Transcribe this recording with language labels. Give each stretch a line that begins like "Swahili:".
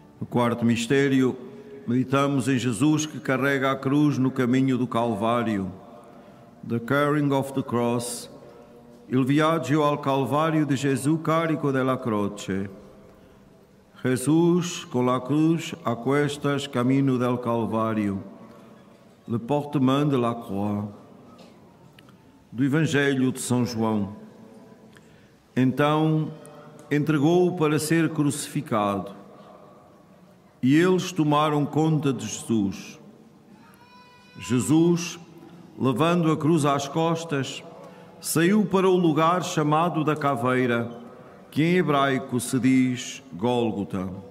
Portuguese: Quarto mistério, meditamos em Jesus que carrega a cruz no caminho do Calvário.
English: The carrying of the cross.
Italian: Il viaggio al Calvario de Gesù carico della croce.
Spanish: Jesus con la cruz a cuestas
Portuguese: caminho
Spanish: del Calvario.
French: Le portement de la croix.
Portuguese: Do Evangelho de São João. Então, entregou-o para ser crucificado. E eles tomaram conta de Jesus. Jesus, levando a cruz às costas, saiu para o lugar chamado da Caveira, que em hebraico se diz Gólgota.